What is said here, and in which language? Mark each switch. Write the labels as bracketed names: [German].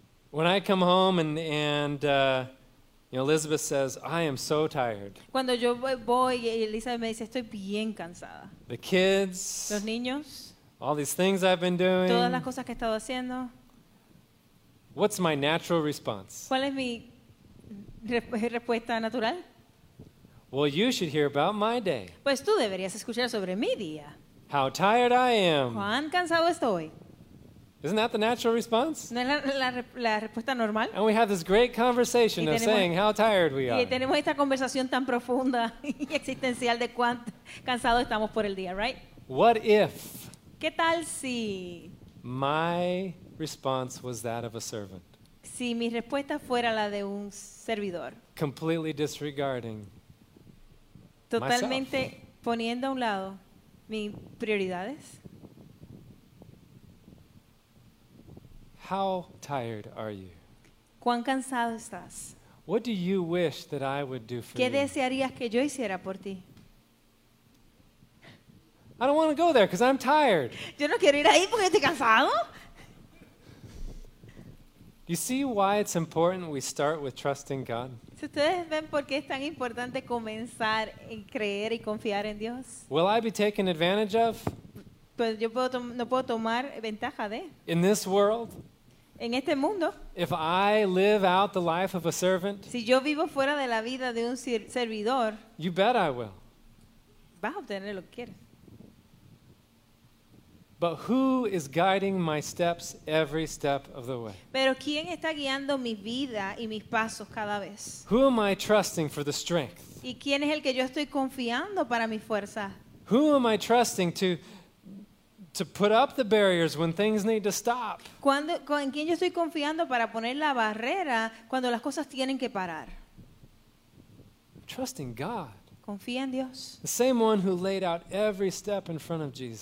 [English] When I come home and Elizabeth says, I am so tired. [Spanish] Cuando yo voy y Elizabeth me dice, estoy bien cansada. [English] The kids. [Spanish] Los niños. [English] All these things I've been doing. [Spanish] Todas las cosas que he estado haciendo. [English] What's my natural response? [Spanish] ¿Cuál es mi respuesta natural? [English] Well, you should hear about my day. [Spanish] Pues tú deberías escuchar sobre mi día. [English] How tired I am. [Spanish] Cuán cansado estoy. [English] Isn't that the natural response? [Spanish] ¿No es la respuesta normal? [English] And we have this great conversation of saying how tired we are. [Spanish] Y tenemos esta conversación tan profunda y existencial de cuán cansado estamos por el día, [English] right? What if? [Spanish] ¿Qué tal si? [English] My response was that of a servant. [Spanish] Si mi respuesta fuera la de un servidor. [English] Completely disregarding. [Spanish] Totalmente [English] myself. [Spanish] Poniendo a un lado mis prioridades. [English] How tired are you? [Spanish] ¿Cuán cansado estás? [English] What do you wish that I would do for you? [Spanish] ¿Qué desearías que yo hiciera por ti? [English] I don't want to go there because I'm tired. [Spanish] Yo no quiero ir ahí porque estoy cansado. [English] You see why it's important we start with trusting God? [Spanish] ¿Ustedes ven por qué es tan importante comenzar en creer y confiar en Dios? [English] Will I be taken advantage of? [Spanish] Pues yo no puedo tomar ventaja de. [English] In this world? [Spanish] En este mundo. [English] If I live out the life of a servant? [Spanish] Si yo vivo fuera de la vida de un servidor. [English] You bet I will. [Spanish] Vas a obtener lo que quieres. [English] But who is guiding my steps every step of the way? [Spanish] Pero ¿quién está guiando mi vida y mis pasos cada vez? [English] Who am I trusting for the strength? [Spanish] ¿Y quién es el que yo estoy confiando para mi fuerza? [English] Who am I trusting to To put up the barriers when things need to stop. [Spanish] Cuando, ¿en quién yo estoy confiando para poner la barrera cuando las cosas tienen que parar? [English] Trust in God. [Spanish] Confía en Dios. [English] The same one who laid out every step in front of Jesus.